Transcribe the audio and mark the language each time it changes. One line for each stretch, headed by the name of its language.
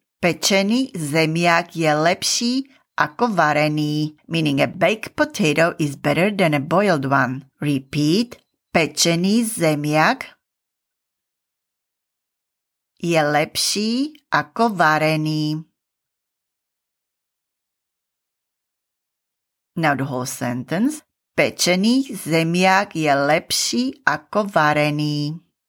Slovak: Pečený zemiak je lepší ako varený.
English: Meaning a baked potato is better than a boiled one. Repeat.
Slovak: Pečený zemiak je lepší ako varený.
English: Now the whole sentence.
Slovak: Pečený zemiak je lepší ako varený.